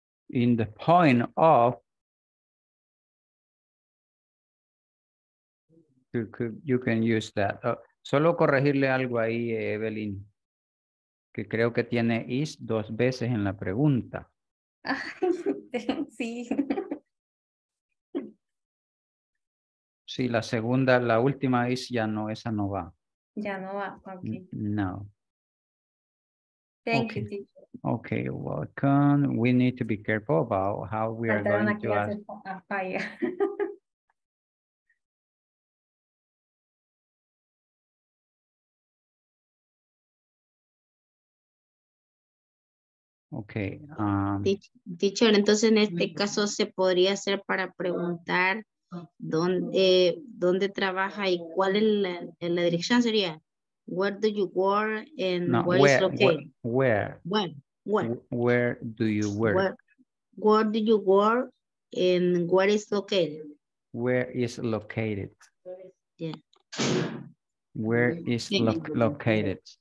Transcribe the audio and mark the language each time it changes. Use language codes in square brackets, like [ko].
[en] In the point of, you can use that. [es] Solo corregirle algo ahí, Evelyn, que creo que tiene is dos veces en la pregunta. Sí, la segunda, la última is, ya no, esa no va. Ya no va, ok. No. [en] Thank you, teacher. Okay, welcome. We need to be careful about how we are going to ask. [es] Falta una clase. [en] Okay. [es] Teacher, entonces en este caso se podría hacer para preguntar dónde trabaja y cuál es la dirección sería. [en] Where do you work and no, where is located? Where do you work? Where do you work and where is located? Where is located? Yeah. Where is located?